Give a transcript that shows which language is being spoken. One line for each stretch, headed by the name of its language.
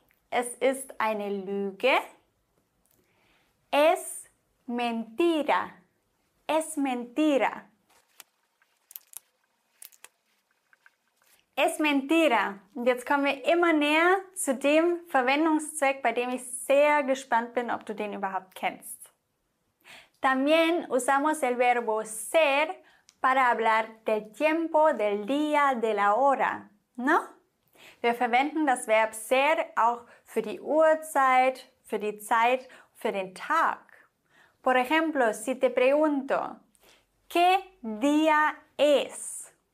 German: Es ist eine Lüge.
Spanish: Es mentira. Es mentira. Es mentira.
German: Und jetzt kommen wir immer näher zu dem Verwendungszweck, bei dem ich sehr gespannt bin, ob du den überhaupt kennst.
Spanish: También usamos el verbo ser para hablar del tiempo, del día, de la hora, ¿no?
German: Wir verwenden das Verb ser auch für die Uhrzeit, für die Zeit, für den Tag.
Spanish: Por ejemplo, si te pregunto, ¿qué día es?